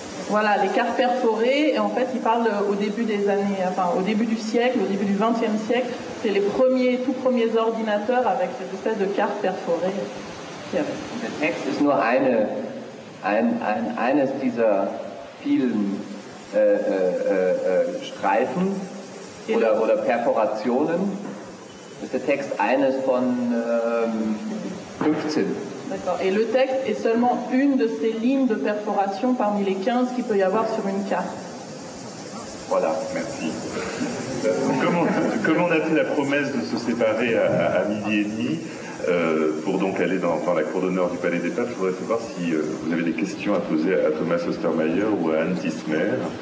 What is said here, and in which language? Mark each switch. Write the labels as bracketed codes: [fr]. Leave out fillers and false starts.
[fr] Voilà, les cartes perforées, et en fait, ils parlent au début des années, enfin, au début du siècle, au début du 20e siècle, c'est les premiers, tout premiers ordinateurs avec cette espèce de cartes perforées. Le texte est [de] nur eines dieser vielen Streifen oder Perforationen. Ist der Text eines von 15? [fr] D'accord. Et le texte est seulement une de ces lignes de perforation parmi les 15 qu'il peut y avoir sur une carte. Voilà, merci. Comme on a fait la promesse de se séparer à midi et demi, pour donc aller dans la cour d'honneur du Palais des Papes, je voudrais savoir si vous avez des questions à poser à Thomas Ostermayer ou à Anne Tismer.